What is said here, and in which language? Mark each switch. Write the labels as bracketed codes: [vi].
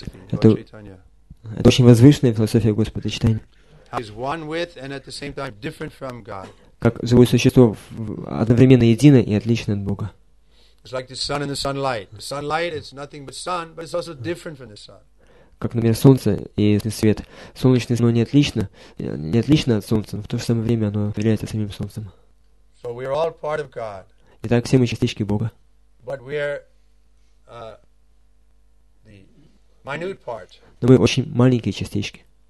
[ru] Это очень возвышенная философия Господа Чайтанья. Как живое существо одновременно едино и отлично от Бога. [en] It's like the sun and the sunlight. The sunlight is nothing but sun, but it's also different from the sun. [ru] Как, например, солнце и свет. Солнечное зло не отлично от солнца, но в то же самое время оно является самим солнцем. [en] So we are all part of God. [ru] Итак, все мы частички Бога. Но мы очень маленькие частички.